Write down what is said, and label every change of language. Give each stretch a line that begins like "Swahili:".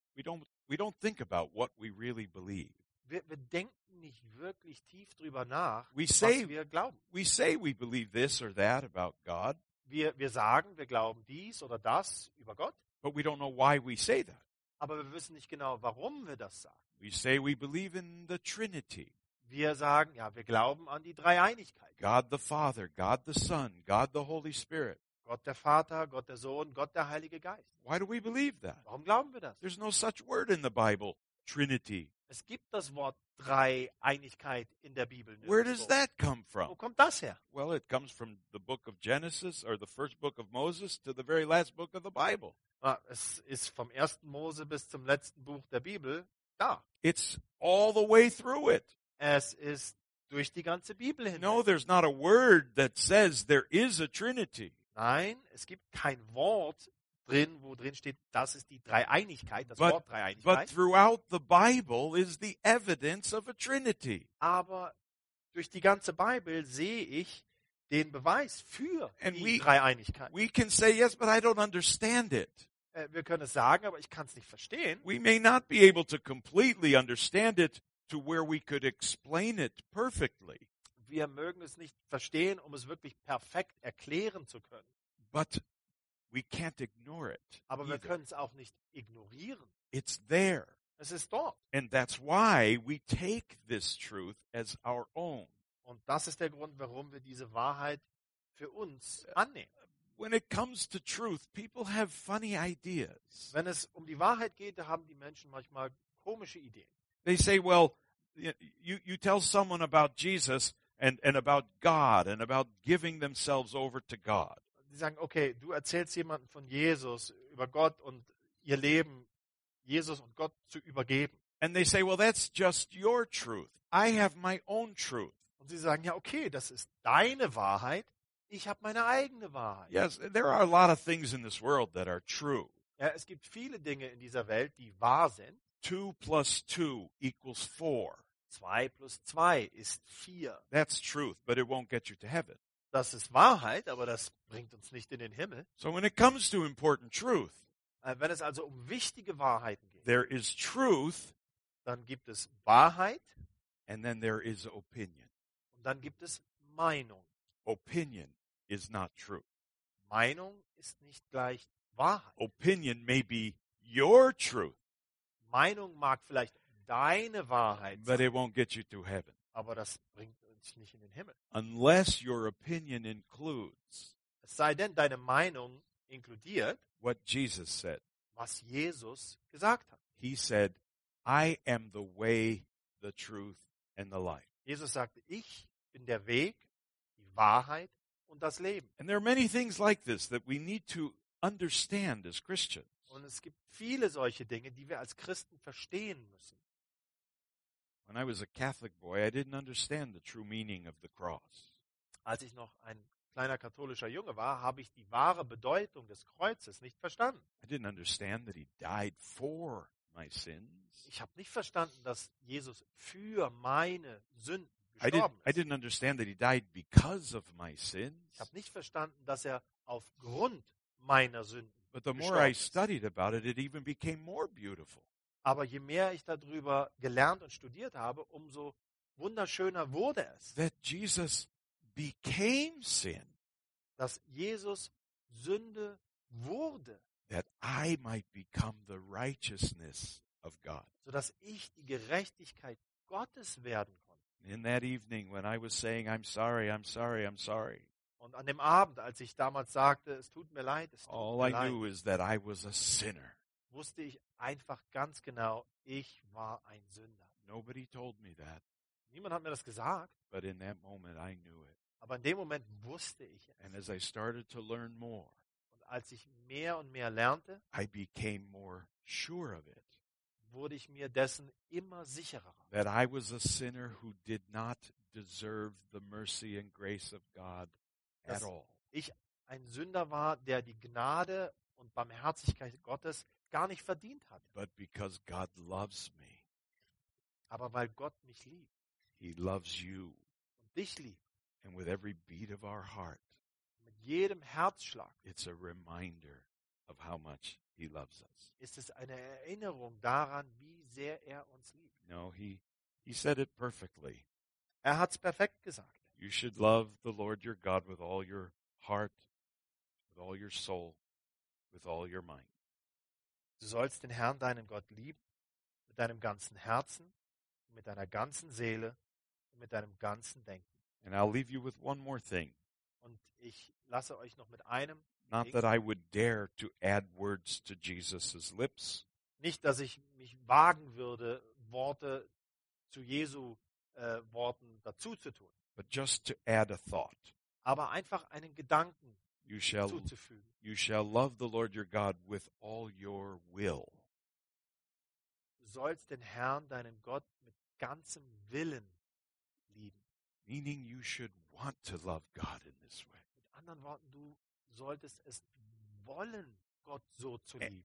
English: We don't think about what we really believe.
German: Wir denken nicht wirklich tief drüber nach, was wir glauben.
English: We say we believe this or that about God.
German: Wir sagen, wir glauben dies oder das über Gott.
English: But we don't know why we say that.
German: Aber wir wissen nicht genau, warum wir das sagen.
English: We say we believe in the Trinity.
German: Wir sagen, ja, wir glauben an die Dreieinigkeit.
English: God the Father, God the Son, God the Holy Spirit.
German: Gott der Vater, Gott der Sohn, Gott der Heilige Geist.
English: Why do we believe that?
German: Warum glauben wir das?
English: There's no such word in the Bible, Trinity.
German: Es gibt das Wort Dreieinigkeit in der Bibel.
English: Where does that come from?
German: Wo kommt das her?
English: Well, it comes from the book of Genesis, or the first book of Moses, to the very last book of the Bible.
German: Es ist vom ersten Mose bis zum letzten Buch der Bibel da.
English: It's all the way through it.
German: Es ist durch die ganze Bibel hin.
English: No, there's not a word that says there is a Trinity.
German: Nein, es gibt kein Wort drin, wo drin steht, das ist die Dreieinigkeit, das Wort Dreieinigkeit.
English: But throughout the Bible is the evidence of a Trinity.
German: Aber durch die ganze Bibel sehe ich den Beweis für die Dreieinigkeit.
English: We can say yes, but I don't understand it.
German: Wir können es sagen, aber ich kann es nicht verstehen.
English: We may not be able to completely understand it to where we could explain it perfectly.
German: Wir mögen es nicht verstehen, um es wirklich perfekt erklären zu können.
English: But we can't ignore it.
German: Aber wir können es auch nicht ignorieren.
English: It's there.
German: Es ist dort.
English: And that's why we take this truth as our own.
German: Und das ist der Grund, warum wir diese Wahrheit für uns annehmen.
English: When it comes to truth, people have funny ideas.
German: Wenn es um die Wahrheit geht, da haben die Menschen manchmal komische Ideen.
English: They say, well, you tell someone about Jesus and about God and about giving themselves over to God.
German: Sie sagen, okay, du erzählst jemanden von Jesus, über Gott und ihr Leben, Jesus und Gott zu übergeben.
English: And they say, well, that's just your truth. I have my own truth.
German: Und sie sagen, ja, okay, das ist deine Wahrheit. Ich habe meine eigene Wahrheit.
English: Yes, there are a lot of things in this world that are true.
German: Ja, es gibt viele Dinge in dieser Welt, die wahr sind.
English: 2 + 2 = 4.
German: 2 + 2 = 4.
English: That's truth, but it won't get you to heaven.
German: Das ist Wahrheit, aber das bringt uns nicht in den Himmel.
English: So when it comes to important truth,
German: wenn es also um wichtige Wahrheiten geht,
English: there is truth,
German: dann gibt es Wahrheit,
English: and then there is opinion.
German: Dann gibt es Meinung.
English: Opinion is not true.
German: Meinung ist nicht gleich Wahrheit.
English: Opinion may be your truth.
German: Meinung mag vielleicht deine Wahrheit sein.
English: But it won't get you to heaven.
German: Aber das bringt uns nicht in den Himmel.
English: Unless your opinion includes.
German: Es sei denn, deine Meinung inkludiert.
English: What Jesus said.
German: Was Jesus gesagt hat.
English: He said, I am the way, the truth, and the life.
German: Jesus sagte, ich bin der Weg, die Wahrheit und das Leben.
English: And there are many things like this that we need to understand as Christians.
German: Und es gibt viele solche Dinge, die wir als Christen verstehen müssen.
English: When I was a Catholic boy, I didn't understand the true meaning of the cross.
German: Als ich noch ein kleiner katholischer Junge war, habe ich die wahre Bedeutung des Kreuzes nicht verstanden.
English: I didn't understand that he died for my sins.
German: Ich habe nicht verstanden, dass Jesus für meine Sünden
English: I didn't understand that he died because of my sins.
German: Ich habe nicht verstanden, dass er aufgrund meiner Sünden.
English: But the more I studied about it, it even became more beautiful.
German: Aber je mehr ich darüber gelernt und studiert habe, umso wunderschöner wurde es.
English: That Jesus became sin.
German: Dass Jesus Sünde wurde.
English: That I might become the righteousness of God.
German: So dass ich die Gerechtigkeit Gottes werden konnte.
English: In that evening when I was saying, I'm sorry, I'm sorry, I'm sorry.
German: Und an dem Abend, als ich damals sagte, es tut mir leid, es tut
English: all
German: mir
English: I
German: leid,
English: knew is that I was a sinner.
German: Wusste ich einfach ganz genau, ich war ein Sünder.
English: Nobody told me that.
German: Niemand hat mir das gesagt.
English: But in that moment I knew it.
German: Aber in dem Moment wusste ich es.
English: And as I started to learn more,
German: und als ich mehr und mehr lernte,
English: I became more sure of it.
German: Wurde ich mir dessen immer sicherer.
English: That I was a sinner who did not deserve the mercy and grace of God at all.
German: Ich ein Sünder war, der die Gnade und Barmherzigkeit Gottes gar nicht verdient hat.
English: But because God loves me.
German: Aber weil Gott mich liebt.
English: He loves you.
German: Und dich liebt.
English: And with every beat of our heart.
German: Mit jedem Herzschlag.
English: It's a reminder of how much he loves us.
German: Ist es eine Erinnerung daran, wie sehr er uns liebt.
English: No, he said it perfectly.
German: Er hat's perfekt gesagt.
English: You should love the Lord your God with all your heart, with all your soul, with all your mind.
German: Du sollst den Herrn, deinen Gott, lieben mit deinem ganzen Herzen, mit deiner ganzen Seele und mit deinem ganzen Denken.
English: And I'll leave you with one more thing.
German: Und ich lasse euch noch mit einem.
English: Not that I would dare to add words to Jesus' lips.
German: Nicht, dass ich mich wagen würde, Worte zu Jesu Worten dazu zu tun.
English: But just to add a thought.
German: Aber einfach einen Gedanken.
English: You shall love the Lord your God with all your will.
German: Du sollst den Herrn, deinen Gott, mit ganzem Willen lieben.
English: Meaning you should want to love God in this way.
German: Mit anderen Worten, du solltest es wollen, Gott so zu lieben.